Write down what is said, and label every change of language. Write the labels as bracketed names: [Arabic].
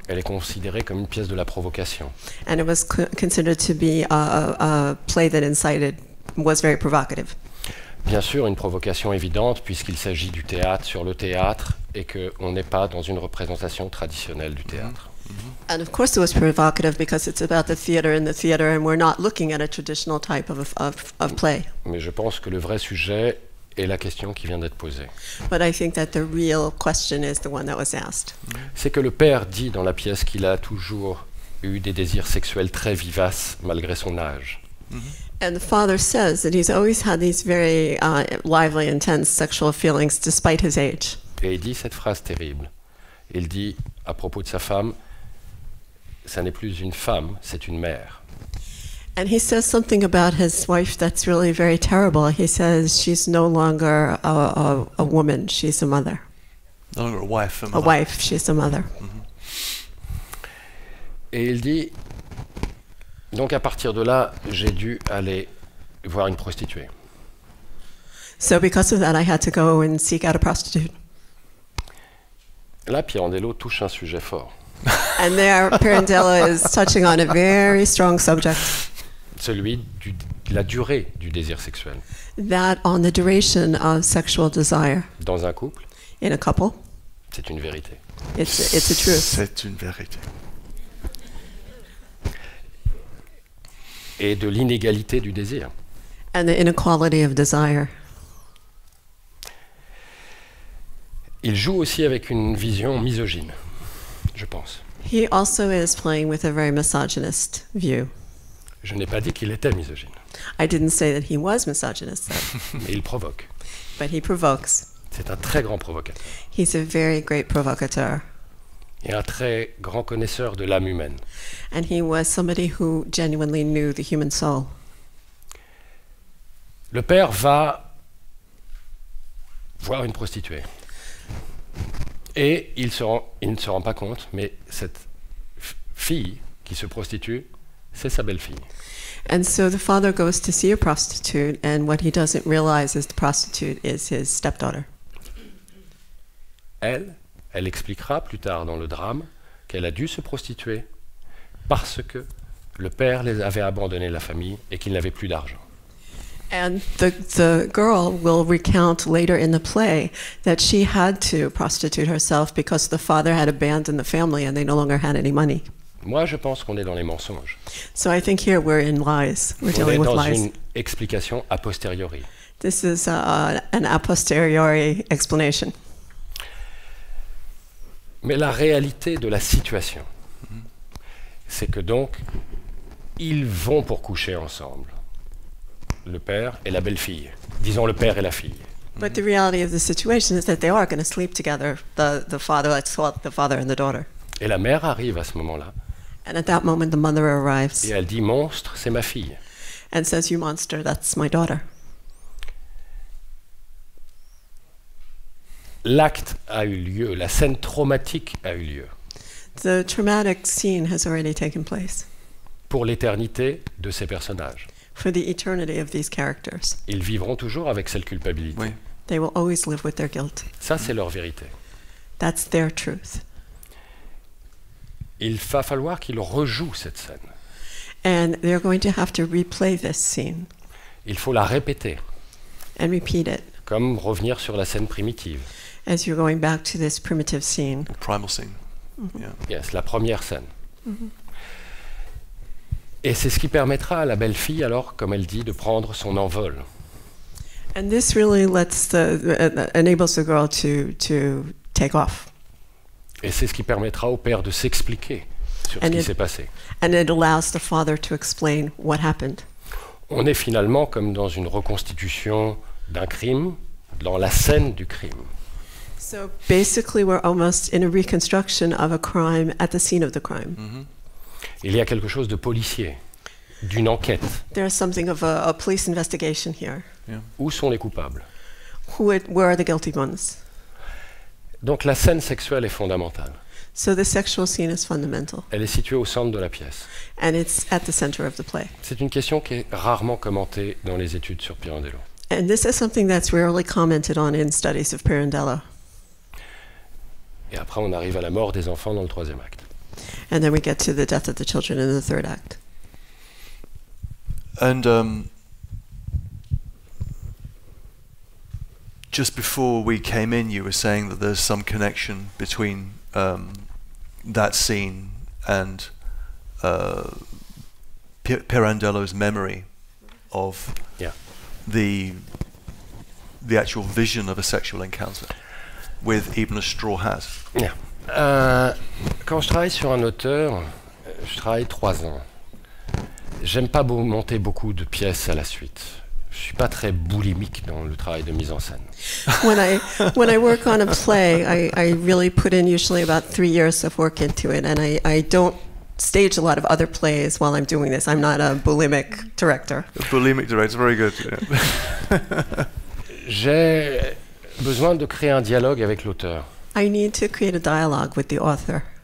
[French] Elle est considérée comme une pièce de la provocation. [English] And it was considered to be a play that incited, was very provocative. [French] Bien sûr, une provocation évidente puisqu'il s'agit du théâtre sur le théâtre et qu'on n'est pas dans une représentation traditionnelle du théâtre. [English] And of course it was provocative because it's about the theater and the theater and we're not looking at a traditional type of play. [French] Mais je pense que le vrai sujet est la question qui vient d'être posée. [English] But I think that the real question is the one that was asked. [French] C'est que le père dit dans la pièce qu'il a toujours eu des désirs sexuels très vivaces malgré son âge. [English] And the father says that he's always had these very lively, intense sexual feelings despite his age. [French] Et il dit cette phrase terrible. Il dit à propos de sa femme, ça n'est plus une femme, c'est une mère. [English] And he says something about his wife that's really very terrible. He says she's no longer a woman, she's a mother. No longer a wife, a mother. A wife, she's a mother. [French] Et il dit, donc à partir de là, j'ai dû aller voir une prostituée. [English] So because of that, I had to go and seek out a prostitute. [French] Là, Pirandello touche un sujet fort. [English] And there, Pirandello is touching on a very strong subject. [French] Celui de la durée du désir sexuel. [English] That on the duration of sexual desire. [French] Dans un couple. [English] In a couple. [French] C'est une vérité. [English] It's a truth. [French] C'est une vérité. Et de l'inégalité du désir. [English] And the inequality of desire. [French] Il joue aussi avec une vision misogyne, je pense. [English] He also is playing with a very misogynist view. [French] Je n'ai pas dit qu'il était misogyne. [English] I didn't say that he was misogynist. [French] Mais il provoque. [English] But he provokes. [French] C'est un très grand provocateur. [English] He's a very great provocateur. [French] Et un très grand connaisseur de l'âme humaine. [English] And he was somebody who genuinely knew the human soul. [French] Le père va voir une prostituée. Et il ne se rend pas compte, mais cette fille qui se prostitue, c'est sa belle-fille. [English] And so the father goes to see a prostitute, and what he doesn't realize is the prostitute is his stepdaughter. [French] Elle expliquera plus tard dans le drame qu'elle a dû se prostituer parce que le père les avait abandonné la famille et qu'il n'avait plus d'argent. [English] And the girl will recount later in the play that she had to prostitute herself because the father had abandoned the family and they no longer had any money. [French] Moi, je pense qu'on est dans les mensonges. [English] So I think here we're in lies. We're dealing with lies. [French] On est dans une explication a posteriori. [English] This is an a posteriori explanation. [French] Mais la réalité de la situation, c'est que donc, ils vont pour coucher ensemble, le père et la belle-fille. Disons le père et la fille. [English] But the reality of the situation is that they are going to sleep together, the father, let's call it the father and the daughter. [French] Et la mère arrive à ce moment-là. [English] And at that moment, the mother arrives. [French] Et elle dit, monstre, c'est ma fille. [English] And says, you monster, that's my daughter. [French] L'acte a eu lieu, la scène traumatique a eu lieu. [English] The traumatic scene has already taken place. [French] Pour l'éternité de ces personnages. [English] For the eternity of these characters. [French] Ils vivront toujours avec cette culpabilité. Oui. [English] They will always live with their guilt. [French] Ça, c'est leur vérité. [English] That's their truth. [French] Il va falloir qu'ils rejouent cette scène. [English] And they're going to have to replay this scene. [French] Il faut la répéter. [English] And repeat it. [French] Comme revenir sur la scène primitive. [English] As you're going back to this primitive scene. The primal scene. Mm-hmm. Yeah. Yes, [French] la première scène. Mm-hmm. Et c'est ce qui permettra à la belle-fille, alors, comme elle dit, de prendre son envol. [English] And this really lets the, enables the girl to take off. [French] Et c'est ce qui permettra au père de s'expliquer sur [English] and [French] ce qui s'est passé. [English] And it allows the father to explain what happened. [French] On est finalement comme dans une reconstitution d'un crime, dans la scène du crime. [English] So basically we're almost in a reconstruction of a crime at the scene of the crime. Mm-hmm. [French] Il y a quelque chose de policier, d'une enquête. [English] There is something of a police investigation here. Yeah. [French] Où sont les coupables? [English] Where are the guilty ones? [French] Donc la scène sexuelle est fondamentale. [English] So the sexual scene is fundamental. [French] Elle est située au centre de la pièce. [English] And it's at the center of the play. [French] C'est une question qui est rarement commentée dans les études sur Pirandello. [English] And this is something that's rarely commented on in studies of Pirandello. [French] Et après on arrive à la mort des enfants dans le troisième acte. [English] And then we get to the death of the children in the third act. And just before we came in, you were saying that there's some connection between that scene and Pirandello's memory of the actual vision of a sexual encounter with even a straw hat. Yeah. [French] Quand je travaille sur un auteur, je travaille 3 ans. J'aime pas monter beaucoup de pièces à la suite. Je suis pas très boulimique dans le travail de mise en scène. [English] When I work on a play, I really put in usually about 3 years of work into it, and I don't stage a lot of other plays while I'm doing this. I'm not a boulimic director. A boulimic director, very good. Yeah. [French] J'ai besoin de créer un dialogue avec l'auteur. [English] I need to create a dialogue with the author.